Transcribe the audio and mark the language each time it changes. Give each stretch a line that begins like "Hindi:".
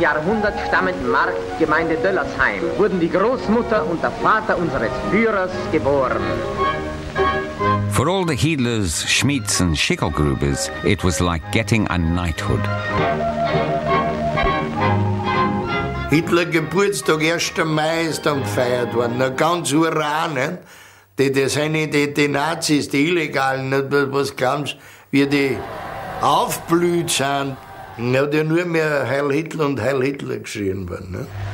German: Jahrhundert stammenden Marktgemeinde Döllersheim wurden die Großmutter und der Vater unseres Führers geboren.
English: For all the Hiedlers, Schmieds and Schickelgrubers, it was like getting a knighthood.
German: Hitler Geburtstag, 1. Mai ist dann gefeiert worden, na ganz hurra, ne? Die Nazis, die Illegalen, was glaubst du, wie die aufblüht sind, na, die nur mehr Heil Hitler und Heil Hitler geschrien worden, ne?